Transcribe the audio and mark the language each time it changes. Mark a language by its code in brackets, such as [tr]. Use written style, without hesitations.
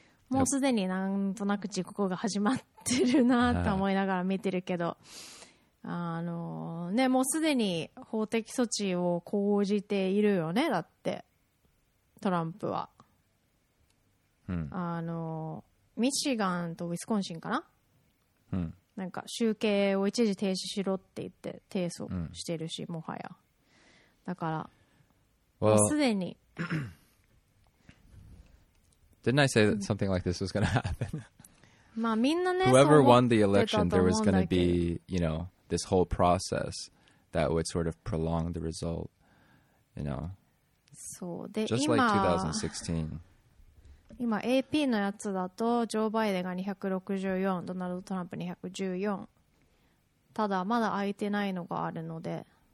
[ja] もうすでになんとなく時刻が始まってるなと思いながら見てるけどね、もうすでに法的措置を講じているよねだってトランプは、うん、ミシガンとウィスコンシンかな、うん、なんか集計を一時停止しろって言って提訴してるし、うん、もはやだから [en] Well, [ja] もうすでに。 [en] Didn't I say that something like this was going to happen? [ja] まあみんなね、 [en] Whoever won the election, there was going to be, you know, this whole process that would sort of prolong the result, you know. [ja] そうで [en] Just [ja] 今 [en] like 2016. [ja] 今 AP のやつだと、ジョー・バイデンが264、ドナルド・トランプ214。ただまだ空いてないのがあるので。